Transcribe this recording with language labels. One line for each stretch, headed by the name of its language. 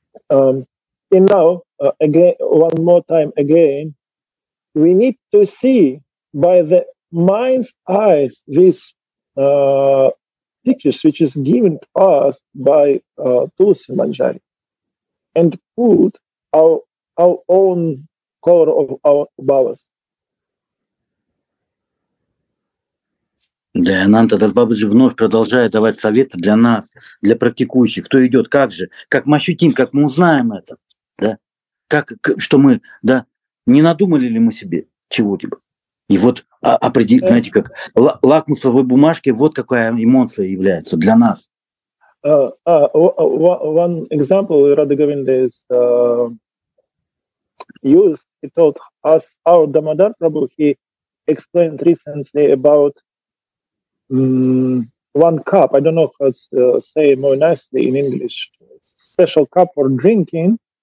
English: And now, again, one more time again, we need to see by the mind's eyes these pictures which is given to us by Tulsi Manjari and put our own color of our bhavas.
Russian: Да, Ананта Дас Бабаджи вновь продолжает давать советы для нас, для практикующих, кто идет, как же, как мы ощутим, как мы узнаем это, да, как, что мы, да, не надумали ли мы себе чего-либо. И вот, определить, знаете, как лакмусовой бумажки, вот какая эмоция является для нас.
English: One example Radha Govinda is used, he told us, our Damodar Prabhu, he explained recently about one cup, I don't know how to say more nicely in English, special cup for drinking,